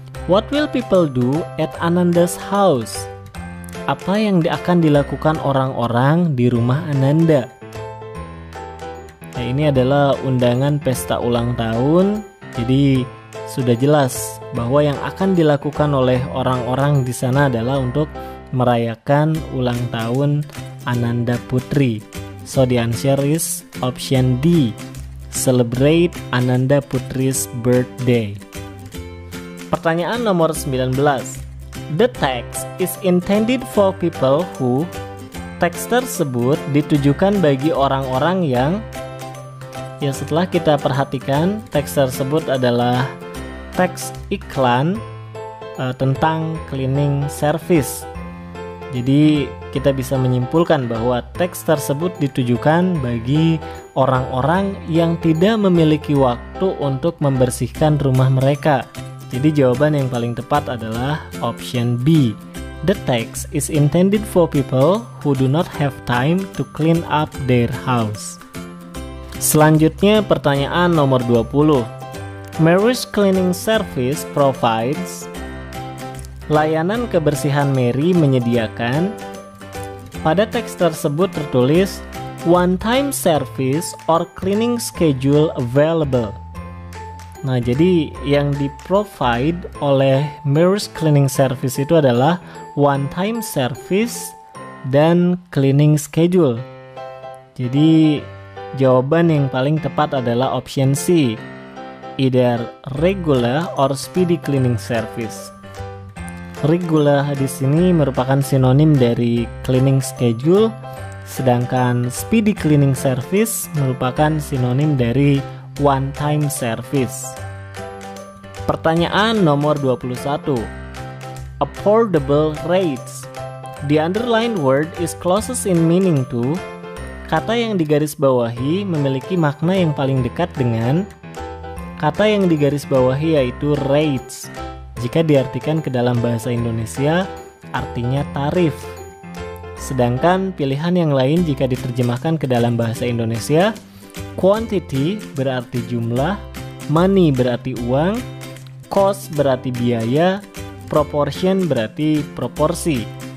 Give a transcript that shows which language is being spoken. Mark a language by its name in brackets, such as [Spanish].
[English] What will people do at Ananda's house? [Indonesian] Apa yang akan dilakukan orang-orang di rumah Ananda? Nah, ini adalah undangan pesta ulang tahun. Jadi sudah jelas bahwa yang akan dilakukan oleh orang-orang di sana adalah untuk merayakan ulang tahun Ananda Putri. [English] So the answer is option D, celebrate Ananda Putri's birthday. [Indonesian] Pertanyaan nomor 19. [English] The text is intended for people who, [Indonesian] teks tersebut ditujukan bagi orang-orang yang, ya setelah kita perhatikan, teks tersebut adalah teks iklan tentang cleaning service. Jadi kita bisa menyimpulkan bahwa teks tersebut ditujukan bagi orang-orang yang tidak memiliki waktu untuk membersihkan rumah mereka. Jadi jawaban yang paling tepat adalah option B. [English] The text is intended for people who do not have time to clean up their house. [Indonesian] Selanjutnya pertanyaan nomor 20. [English] Mary's Cleaning Service provides. [Indonesian] Layanan kebersihan Mary menyediakan. Pada teks tersebut tertulis [English] one time service or cleaning schedule available. [Indonesian] Nah, jadi yang di-provide oleh Mary's Cleaning Service itu adalah one-time service dan cleaning schedule. Jadi, jawaban yang paling tepat adalah option C, [English] either regular or speedy cleaning service. [Indonesian] Regular di sini merupakan sinonim dari cleaning schedule, sedangkan speedy cleaning service merupakan sinonim dari one-time service. Pertanyaan nomor 21. [English] Affordable rates. The underlined word is closest in meaning to. [Indonesian] Kata yang digarisbawahi memiliki makna yang paling dekat dengan. Kata yang digarisbawahi yaitu rates. Jika diartikan ke dalam bahasa Indonesia, artinya tarif. Sedangkan pilihan yang lain jika diterjemahkan ke dalam bahasa Indonesia, quantity berarti jumlah, money berarti uang, cost berarti biaya, proportion berarti proporsi.